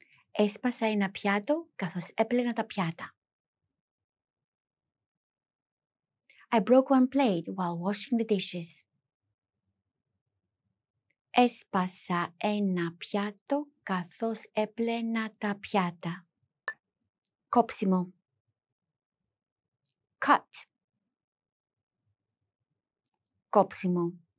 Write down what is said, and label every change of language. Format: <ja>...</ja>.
<el>Έσπασα ένα πιάτο καθώς έπλαινα τα πιάτα.</el> <en>I broke one plate while washing the dishes.</en> <el>Έσπασα ένα πιάτο καθώς έπλαινα τα πιάτα. Κόψιμο.</el> <en>Cut.</en> <el>Κόψιμο.</el>